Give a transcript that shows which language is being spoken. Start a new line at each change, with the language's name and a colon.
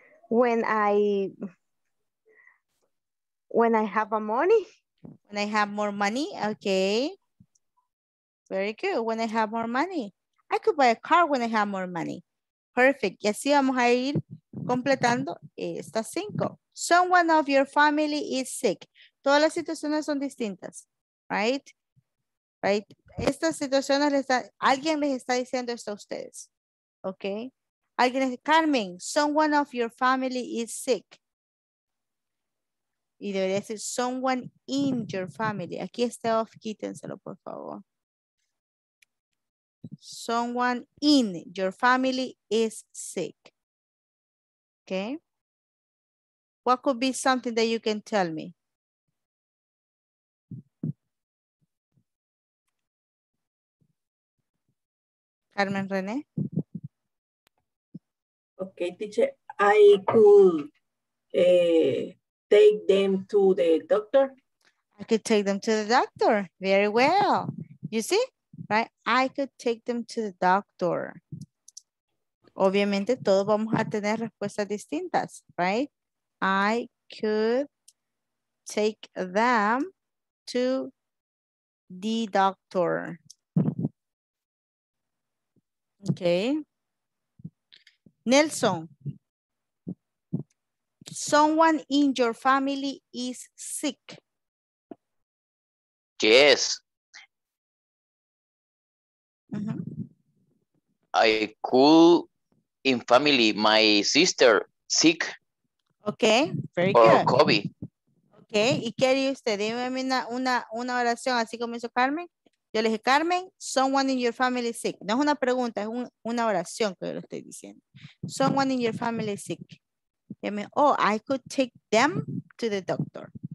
English: I When I have a money. When I have more money, okay. Very good. When I have more money. I could buy a car when I have more money. Perfect.
Spanish: Y así vamos a ir completando estas cinco.
English: Someone of your family is sick.
Spanish: Todas las situaciones son distintas.
English: Right? Right?
Spanish: Estas situaciones, alguien les está diciendo esto a ustedes.
English: Okay?
Spanish: Alguien dice,
English: Carmen, someone of your family is sick.
Spanish: Y debería decir,
English: someone in your family.
Spanish: Aquí está off, quítenselo, por favor.
English: Someone in your family is sick. Okay. What could be something that you can tell me? Carmen René. Okay, teacher, I could take them to the doctor. I could take them to the doctor. Very well. You see? Right, I could take them to the doctor.
Spanish: Obviamente, todos vamos a tener respuestas distintas, right?
English: I could take them to the doctor. Okay. Nelson, someone in your family is sick. Yes. Mm-hmm. I could in family my sister sick. Okay, very good. Or COVID.
Spanish: Okay, ¿y qué haría usted? Dime una oración así como hizo Carmen. Yo le dije,
English: Carmen, someone in your family sick.
Spanish: No es una pregunta, es una oración que yo le estoy diciendo.
English: Someone in your family sick. Dime, I could take them to the doctor.